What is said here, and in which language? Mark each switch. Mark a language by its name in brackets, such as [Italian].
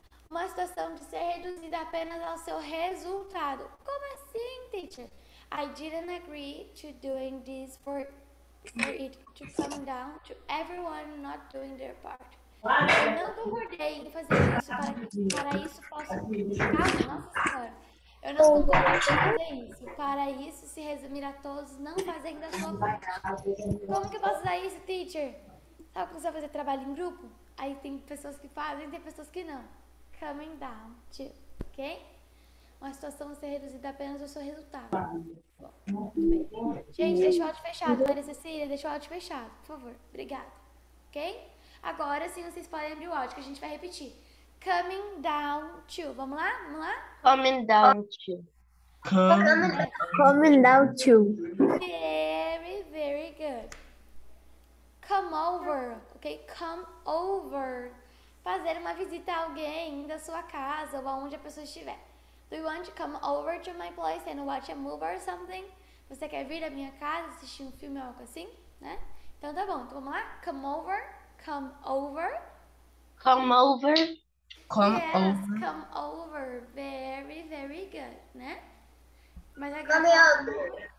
[Portuguese] Uma situação de ser reduzida apenas ao seu resultado. Como assim, teacher? [English] I didn't agree to doing this for it to come down to everyone not doing their part. [Portuguese] Eu não concordei em fazer isso para isso possa ficar. Nossa senhora. Eu não concordei em fazer isso. Para isso se resumir a todos não fazendo a sua parte. Como que eu posso usar isso, teacher? Sabe como você vai fazer trabalho em grupo? Aí tem pessoas que fazem e tem pessoas que não. Coming down to, ok? Uma situação ser reduzida apenas ao seu resultado. Gente, deixa o áudio fechado, Maria Cecília, deixa o áudio fechado, por favor. Obrigada, ok? Agora sim, vocês podem abrir o áudio, que a gente vai repetir. Coming down to, vamos lá? Vamos lá? [English] Coming down to. Coming down to. Very, very good. Come over, ok? Come over. [Portuguese] Fazer uma visita a alguém da sua casa ou aonde a pessoa estiver. [English] Do you want to come over to my place and watch a movie or something? [Portuguese] Você quer vir à minha casa assistir um filme ou algo assim? Né? Então tá bom, então vamos lá. Come over. Come over. [English] Come over. Come yes, over. Yes, come over. Very, very good. [Portuguese] Né? Mas agora... [English] Come over.